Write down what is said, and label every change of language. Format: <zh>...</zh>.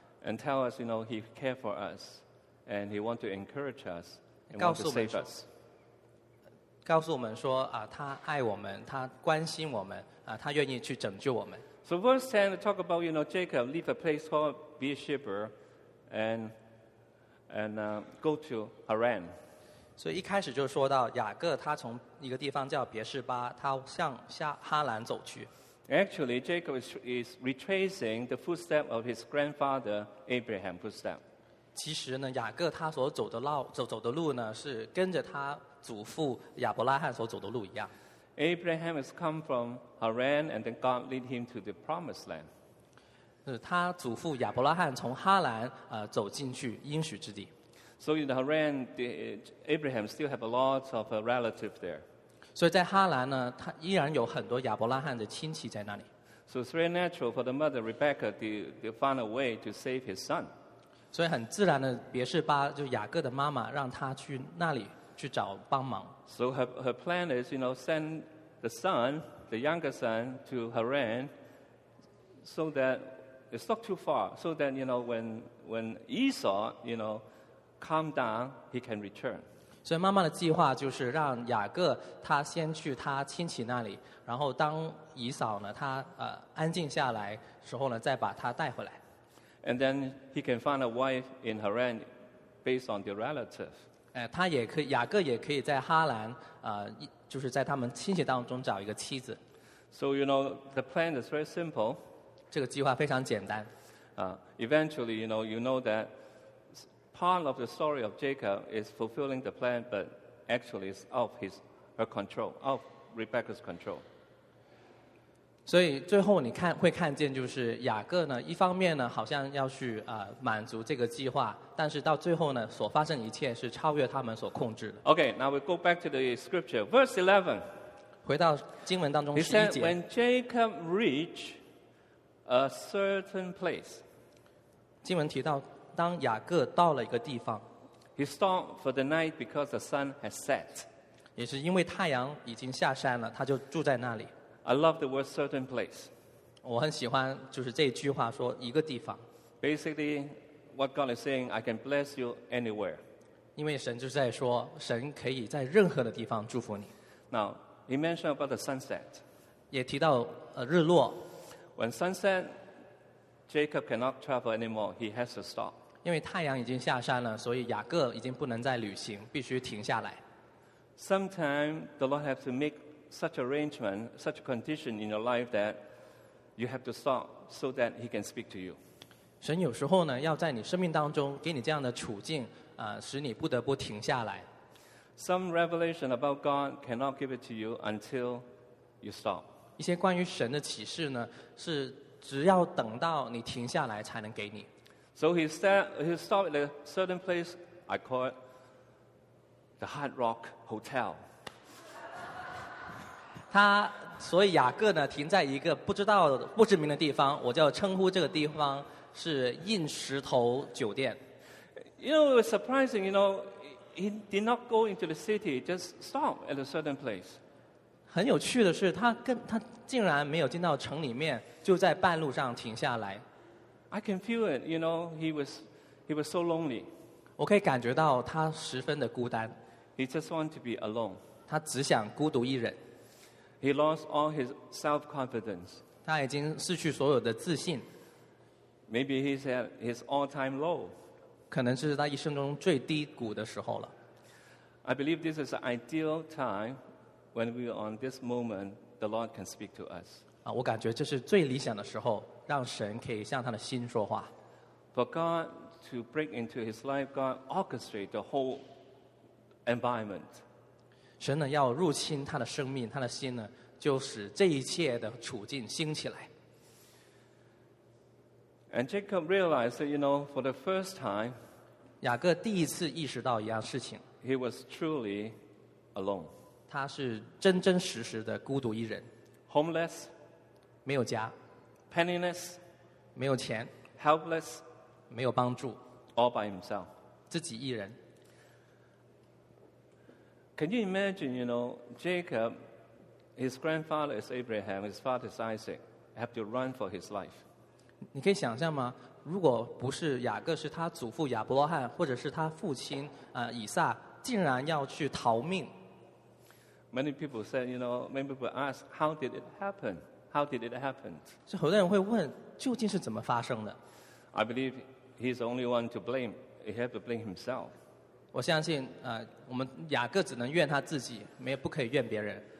<en>And tell us, you know, he cares for us, and he wants to encourage us, and wants to save us.</en> <zh>告诉我们说他爱我们，他关心我们他愿意去拯救我们。</zh> <en>So verse 10 talk about, you know, Jacob leave a place called Beersheba, and go to Haran.</en> <zh>所以一开始就说到雅各他从一个地方叫别示巴，他向下哈兰走去。</zh> <en>Actually, Jacob is retracing the footsteps of his grandfather Abraham's footsteps.</en> <zh>其实呢，雅各他所走的路呢，是跟着他祖父亚伯拉罕所走的路一样。</zh> <en>Abraham has come from Haran, and then God led him to the Promised Land.</en> <zh>他祖父亚伯拉罕从哈兰走进去应许之地。</zh> <en>So in Haran, Abraham still have a lot of relatives there.</en> <zh>所以在哈兰呢，他依然有很多亚伯拉罕的亲戚在那里。</zh> <en>So it's very natural for the mother Rebecca to find a way to save his son.</en> <zh>所以很自然的，别示巴就雅各的妈妈让他去那里。去找帮忙。</zh> <en>So her plan is, you know, send the younger son to Haran, so that it's not too far, so that, you know, when Esau, you know, calm down, he can return.</en> <zh>所以妈妈的计划就是让雅各他先去他亲戚那里，然后当以扫呢他安静下来时候呢，再把他带回来。</zh> <en>And then he can find a wife in Haran based on their relative.</en> <zh>他也可以，雅各也可以在哈兰，就是在他们亲戚当中找一个妻子。</zh> <en>So you know the plan is very simple.</en> <zh>这个计划非常简单。</zh> <en>Eventually, you know that part of the story of Jacob is fulfilling the plan, but actually it's out of Rebecca's control.</en> <zh>所以最后你看会看见，就是雅各呢，一方面呢好像要去满足这个计划。但是到最后呢，所发生一切是超越他们所控制的。</zh> <en>Okay, now we go back to the scripture, verse 11.</en> <zh>回到经文当中十一节。</zh> <en>He said, "When Jacob reached a certain place."</en> <zh>经文提到，当雅各到了一个地方</zh> <en>，He stopped for the night because the sun had set.</en> <zh>也是因为太阳已经下山了，他就住在那里。</zh> <en>I love the word "certain place."</en> <zh>我很喜欢就是这句话说一个地方。</zh> <en>Basically. What God is saying, I can bless you anywhere.</en> <zh>因为神就在说，神可以在任何的地方祝福你。</zh> <en>Now, he mentioned about the sunset.</en> <zh>也提到日落。</zh> <en>When sunset, Jacob cannot travel anymore. He has to stop.</en> <zh>因为太阳已经下山了，所以雅各已经不能再旅行，必须停下来。</zh> <en>Sometimes the Lord has to make such arrangement, such condition in your life that you have to stop so that He can speak to you.</en> <zh>神有时候呢，要在你生命当中给你这样的处境，使你不得不停下来。</zh> <en>Some revelation about God cannot give it to you until you stop.</en> <zh>一些关于神的启示呢，是只要等到你停下来才能给你。</zh> <en>So he stopped at a certain place I call it the Hard Rock Hotel.</en> <zh>他所以雅各呢，停在一个不知名的地方，我就称呼这个地方。是硬石头酒店。</zh> <en>You know, it was surprising. You know, he did not go into the city; just stop at a certain place.</en> <zh>很有趣的是，他竟然没有进到城里面，就在半路上停下来。</zh> <en>I can feel it. You know, he was so lonely.</en> <zh>我可以感觉到他十分的孤单。</zh> <en>He just want to be alone.</en> <zh>他只想孤独一人。</zh> <en>He lost all his self-confidence.</en> <zh>他已经失去所有的自信。</zh> <en>Maybe he's at his all-time low.</en> <zh>可能是他一生中最低谷的时候了。</zh> <en>I believe this is an ideal time when we are on this moment the Lord can speak to us.</en> <zh>我感觉这是最理想的时候，让神可以向他的心说话。</zh> <en>For God to break into his life, God orchestrate the whole environment.</en> <zh>神呢要入侵他的生命，他的心呢，就使这一切的处境兴起来。</zh> <en>And Jacob realized that, you know, for the first time,</en> <zh>雅各第一次意识到一样事情。</zh> <en>He was truly alone.</en> <zh>他是真真实实的孤独一人。</zh> <en>Homeless,</en> <zh>没有家。</zh> <en>Penniless,</en> <zh>没有钱。</zh> <en>Helpless,</en> <zh>没有帮助。</zh> <en>All by himself,</en> <zh>自己一人。</zh> <en>Can you imagine, you know, Jacob, his grandfather is Abraham, his father is Isaac, have to run for his life.</en> <zh>你可以想象吗？如果不是雅各是他祖父亚伯罗翰，或者是他父亲啊以撒，竟然要去逃命。</zh> <en>Many people said, you know, many people ask, how did it happen? How did it happen?</en> <zh>所以很多人会问，究竟是怎么发生的</zh> <en>？I believe he's the only one to blame. He had to blame himself.</en> <zh>我相信啊，我们雅各只能怨他自己，没不可以怨别人。</zh>